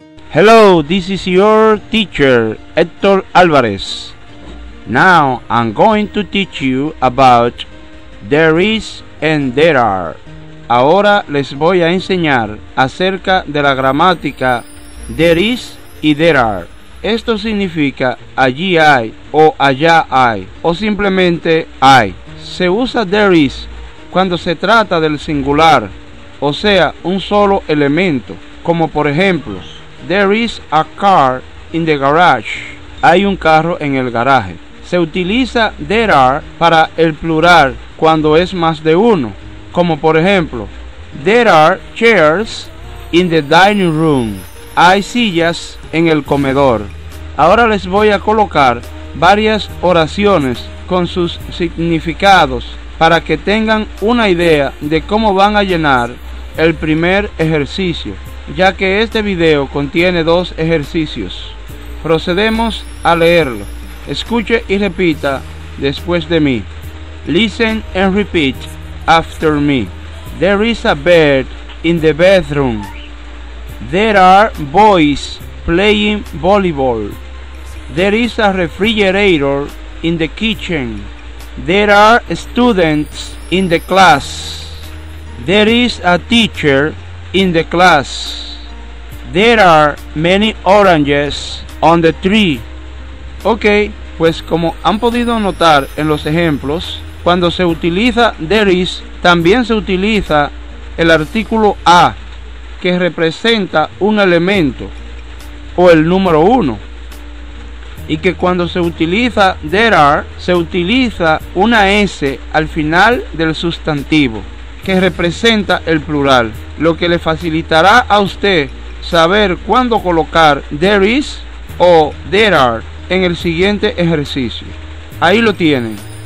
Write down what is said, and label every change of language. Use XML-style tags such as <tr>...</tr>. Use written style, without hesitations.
<en>Hello, this is your teacher, Héctor Álvarez. Now I'm going to teach you about there is and there are.</en> <es>Ahora les voy a enseñar acerca de la gramática there is y there are. Esto significa allí hay o allá hay o simplemente hay. Se usa there is cuando se trata del singular, o sea, un solo elemento, como por ejemplo,</es> <en>there is a car in the garage.</en> <es>Hay un carro en el garaje. Se utiliza there are para el plural cuando es más de uno, como por ejemplo,</es> <en>there are chairs in the dining room.</en> <es>Hay sillas en el comedor. Ahora les voy a colocar varias oraciones con sus significados para que tengan una idea de cómo van a llenar el primer ejercicio, ya que este video contiene dos ejercicios. Procedemos a leerlo. Escuche y repita después de mí.</es> <en>Listen and repeat after me. There is a bed in the bedroom. There are boys playing volleyball. There is a refrigerator in the kitchen. There are students in the class. There is a teacher in the class. There are many oranges on the tree.</en> <es>Ok, pues como han podido notar en los ejemplos, cuando se utiliza there is, también se utiliza el artículo a, que representa un elemento o el número uno, y que cuando se utiliza there are, se utiliza una s al final del sustantivo, que representa el plural, lo que le facilitará a usted saber cuándo colocar there is o there are en el siguiente ejercicio. Ahí lo tienen.</es>